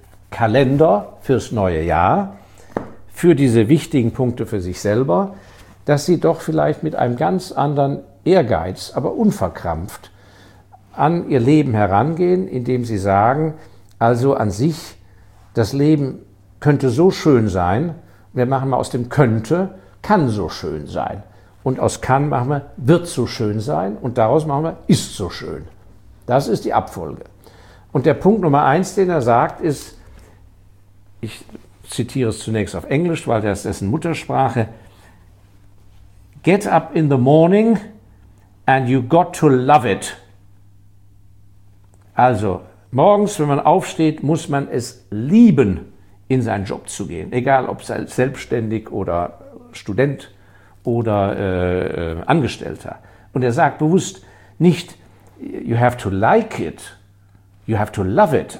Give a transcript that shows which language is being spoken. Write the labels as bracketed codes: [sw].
[de] Kalender fürs neue Jahr, für diese wichtigen Punkte für sich selber, dass Sie doch vielleicht mit einem ganz anderen Ehrgeiz, aber unverkrampft, an Ihr Leben herangehen, indem Sie sagen, also an sich, das Leben könnte so schön sein, wir machen mal aus dem könnte, kann so schön sein. Und aus kann machen wir, wird so schön sein und daraus machen wir, ist so schön. Das ist die Abfolge. Und der Punkt Nummer 1, den er sagt, ist, ich zitiere es zunächst auf Englisch, weil das ist dessen Muttersprache. [en] Get up in the morning and you got to love it. [de] Also, morgens, wenn man aufsteht, muss man es lieben, in seinen Job zu gehen. Egal, ob selbstständig oder Student oder Angestellter. Und er sagt bewusst nicht, [en] you have to like it. You have to love it.